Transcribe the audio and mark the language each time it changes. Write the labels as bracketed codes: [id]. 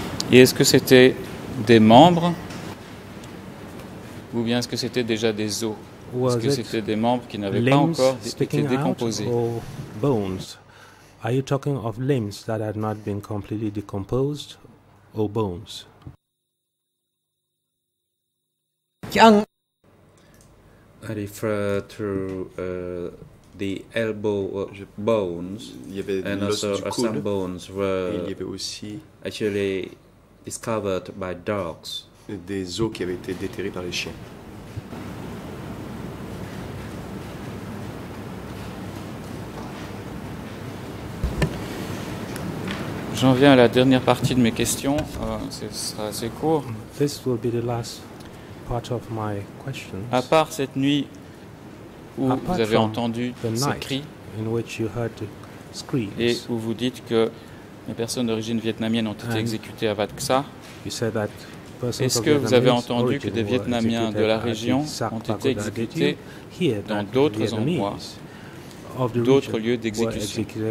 [fr] Et est-ce que c'était des membres, ou bien est-ce que c'était déjà des os? [en] Was [fr] est-ce que c'était des membres qui n'avaient pas encore été décomposés? [en] Or bones? Are you talking of limbs that had not been completely decomposed, or bones? I refer to the elbow bones, and also some bones were actually discovered by dogs. [fr] Des os qui avaient été déterrés par les chiens. J'en viens à la dernière partie de mes questions. Ce sera assez court. [en] This will be the last part of my questions. [fr] À part cette nuit où vous avez entendu ces cris [en] in which you heard the screams, [fr] et où vous dites que les personnes d'origine vietnamienne ont été exécutées à Vat Xa, est-ce que vous avez entendu que des Vietnamiens de la région ont été exécutés dans d'autres endroits, d'autres lieux d'exécution?